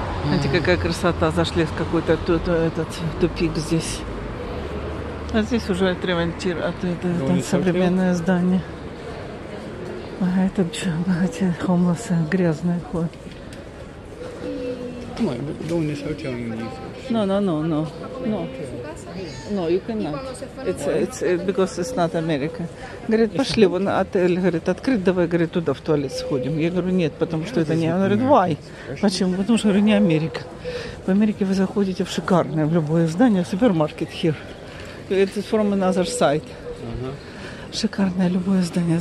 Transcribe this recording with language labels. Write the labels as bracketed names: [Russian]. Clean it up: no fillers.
[Russian] Смотрите, какая красота. Зашли в какой-то тут этот тупик здесь. А здесь уже отремонтировано, это современное здание. А это эти homeless'ы, грязные ходят. [English] Come on, don't need hotel in this. No, no, no, no, no. No, you cannot. It's because it's not America. [Russian] Говорит, пошли вон отель, говорит, открыть, давай, говорит, туда в туалет сходим. Я говорю, нет, потому что это не... Она говорит, [English] why? [Russian] Почему? Потому что, говорю, не Америка. В Америке вы заходите в шикарное, в любое здание, супермаркет [English] here. It's from another site. Uh-huh. [Russian] Шикарное любое здание.